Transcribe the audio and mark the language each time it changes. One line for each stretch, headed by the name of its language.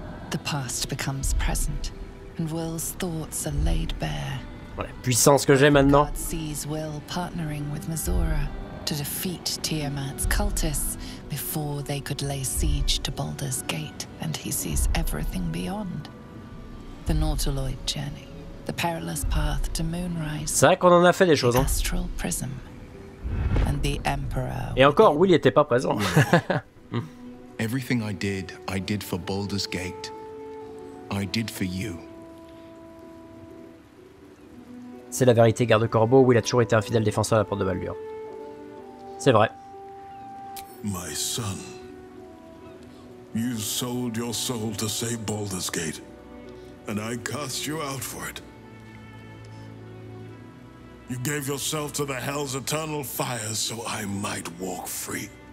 English: The past becomes present, and Will's thoughts are laid bare.
French: Voilà, puissance que j'ai maintenant.
English: God sees Will partnering with Mizora to defeat Tiamat's cultists before they could lay siege to Baldur's Gate, and he sees everything beyond. The Nautiloid journey, the perilous path to Moonrise.
French: C'est vrai qu'on en a fait des choses, hein.
English: Astral prism. And the Emperor.
French: Et encore, Will n'était pas présent.
English: Everything I did for Baldur's Gate. I did for you.
French: C'est la vérité, garde corbeau. Will a toujours été un fidèle défenseur à la porte de Baldur. C'est vrai.
English: My son, you sold your soul to save Baldur's Gate, and I cast you out for it. You gave yourself to the hell's eternal fires so I might walk free.